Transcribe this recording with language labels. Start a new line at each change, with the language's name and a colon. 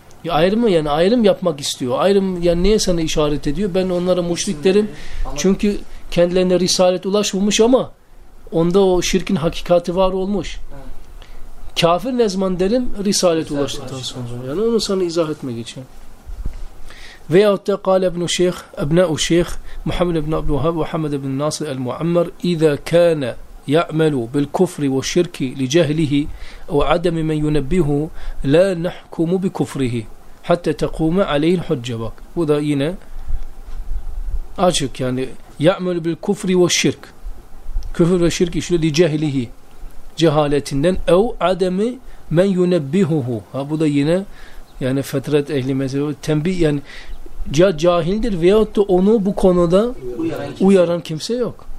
Turkish: Ya ayrımı, yani ayrım yapmak istiyor. Ayrım yani neye sana işaret ediyor? Ben onlara müşrik derim. Çünkü kendilerine risalet ulaşmamış ama onda o şirkin hakikati var olmuş. Kafir ne zaman derim? Risalet ulaştıktan sonra. Yani onu sana izah etmek için. Veyahut da
Arabic: قال ابن الشيخ ابناء الشيخ محمد بن عبد الوهاب وحمد بن ناصر المعمر اذا كان يعمل بالكفر والشرك لجهله وعدم من ينبهه لا نحكم بكفره حتى تقوم عليه الحجة.
Turkish: Bak bu da yine açık, yani
Arabic: يعمل بالكفر والشرك,
Turkish: küfür ve şirk işle,
Arabic: لجهله
Turkish: cehaletinden,
Arabic: او عدم من ينبهه.
Turkish: Ha, bu da yine yani fetret ehli mezhebi tembih, yani cahildir veyahut da onu bu konuda uyaran kimse yok.